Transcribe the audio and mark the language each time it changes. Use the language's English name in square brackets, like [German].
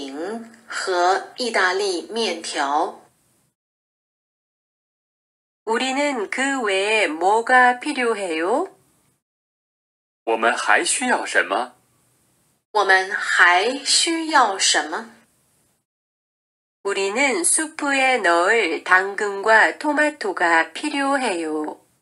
[Chinese] 我们需要比萨饼和意大利面条。我们需要比萨饼和意大利面条。 [Korean] 우리는 그 외에 뭐가 필요해요? [Chinese] 我们还需要什么？我们还需要什么？ [Korean] 우리는 수프에 넣을 당근과 토마토가 필요해요.